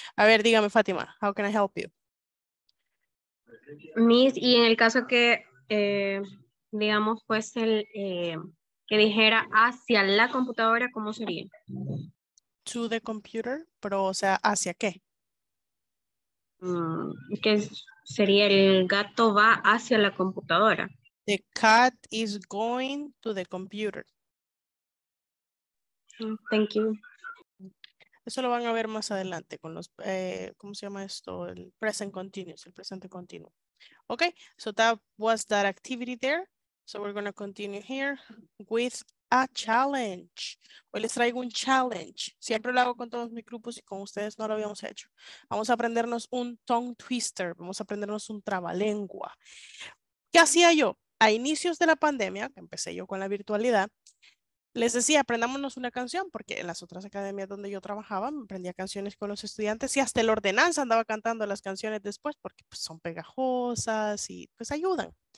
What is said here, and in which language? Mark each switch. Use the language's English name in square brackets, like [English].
[Spanish] A ver, dígame, [English] Fátima, how can I help you? [Spanish] Miss, y en el caso que, digamos, pues el que dijera hacia la computadora, ¿cómo sería? [English] To the computer, [Spanish] pero o sea, ¿hacia qué? Que sería el gato va hacia la computadora. [English] The cat is going to the computer. Thank you. [Spanish] Eso lo van a ver más adelante con los, ¿cómo se llama esto? [English] El present continuous, [Spanish] el presente continuo. [English] Okay, so that was that activity there. So we're going to continue here with a challenge. [Spanish] Hoy les traigo un challenge. Siempre lo hago con todos mis grupos y con ustedes no lo habíamos hecho. Vamos a aprendernos un tongue twister. Vamos a aprendernos un trabalengua. ¿Qué hacía yo? A inicios de la pandemia, que empecé yo con la virtualidad, les decía, aprendámonos una canción, porque en las otras academias donde yo trabajaba, me aprendía canciones con los estudiantes y hasta el ordenanza andaba cantando las canciones después porque pues, son pegajosas y pues ayudan.